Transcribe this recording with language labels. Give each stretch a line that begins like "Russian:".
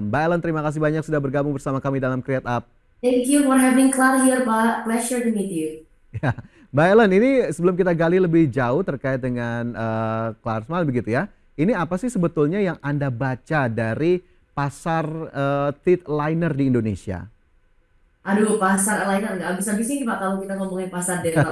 Indonesian: Mbak Ellen, terima kasih banyak sudah bergabung bersama kami dalam Create Up.
English: Thank you for having Klar here, Pak. Pleasure to meet you. Ya.
Indonesian: Mbak Ellen, ini sebelum kita gali lebih jauh terkait dengan Klar Smile begitu ya. Ini apa sih sebetulnya yang Anda baca dari pasar teeth aligner di Indonesia? Aduh, pasar aligner nggak habis-habisnya nih Pak kalau kita ngomongin pasar dental.